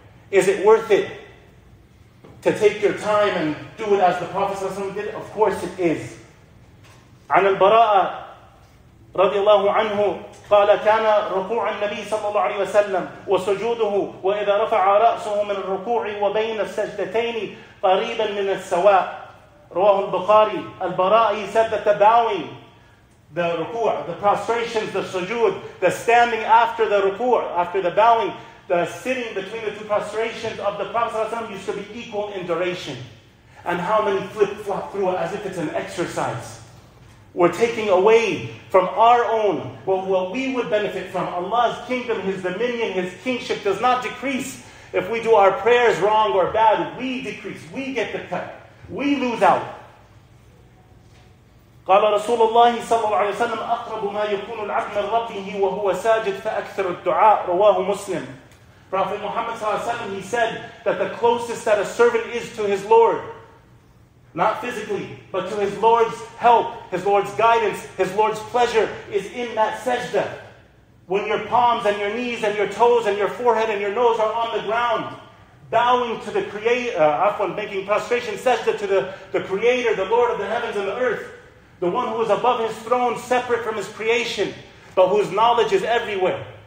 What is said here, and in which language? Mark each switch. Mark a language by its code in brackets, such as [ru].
[en] Is it worth it to take your time and do it as the Prophet ﷺ did? Of course it is. [ar] عن البراء رضي الله عنه قال كان ركوع النبي صلى الله عليه وسلم وسجوده وإذا رفع رأسه من الركوع وبين السجدتين قريبا من السواء رواه البخاري. [en] البراء, he said that the bowing, the ركوع, the prostrations, the sujood, the standing after the ركوع, after the bowing, the sitting between the two prostrations of the Prophet ﷺ used to be equal in duration. And how many flip-flop through it as if it's an exercise. We're taking away from our own, what we would benefit from. Allah's kingdom, His dominion, His kingship does not decrease. If we do our prayers wrong or bad, we decrease. We get the cut. We lose out. [ar] قال رسول الله صلى الله عليه وسلم أقرب ما يكون العبد من ربه وهو ساجد فأكثر الدعاء رواه مسلم. [en] Prophet Muhammad ﷺ, he said that the closest that a servant is to his Lord, not physically, but to his Lord's help, his Lord's guidance, his Lord's pleasure, is in that sajda. When your palms and your knees and your toes and your forehead and your nose are on the ground, bowing to the Creator, making prostration, sajda to the Creator, the Lord of the heavens and the earth, the one who is above his throne, separate from his creation, but whose knowledge is everywhere.